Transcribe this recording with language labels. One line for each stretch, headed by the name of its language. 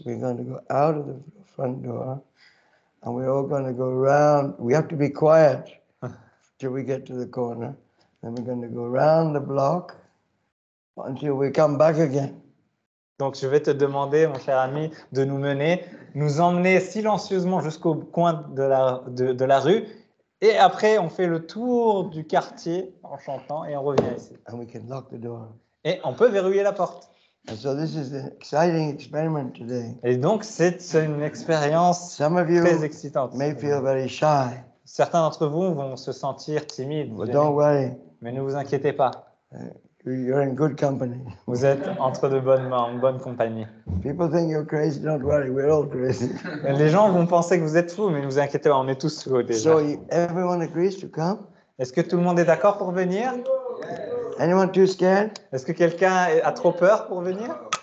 English: We're going to go out of the front door, and we're all going to go round. We have to be quiet till we get to the corner. Then we're going to go round the block until we come back again.
French: Donc, je vais te demander, mon cher ami, de nous mener, nous emmener silencieusement jusqu'au coin de la rue. Et après, on fait le tour du quartier en chantant et on revient ici.
English: And we can lock the door.
French: Et on peut verrouiller la porte.
English: And so this is an exciting experiment today.
French: Et donc, c'est une expérience très excitante.
English: May feel very shy.
French: Certains d'entre vous vont se sentir timides.
English: But don't worry.
French: Mais ne vous inquiétez pas.
English: You're in good company.
French: Vous êtes entre de bonnes mains, en bonne compagnie.
English: People think you're crazy, don't worry, we're all crazy.
French: Les gens vont penser que vous êtes fou, mais ne vous inquiétez pas, on est tous fous déjà.
English: So everyone agrees to come?
French: Est-ce que tout le monde est d'accord pour venir?
English: Anyone too scared?
French: Est-ce que quelqu'un a trop peur pour venir?